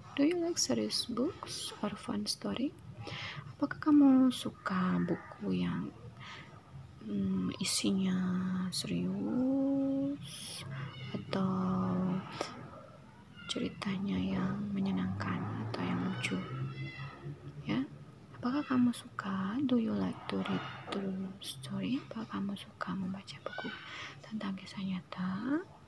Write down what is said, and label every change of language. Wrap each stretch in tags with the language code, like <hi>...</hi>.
<en>Do you like serious books or fun story?</en> <id>Apakah kamu suka buku yang isinya serius atau ceritanya yang menyenangkan atau yang lucu? Ya. Apakah kamu suka?</id> <en>Do you like to read true story?</en> <id>Apakah kamu suka membaca buku tentang kisah nyata?</id>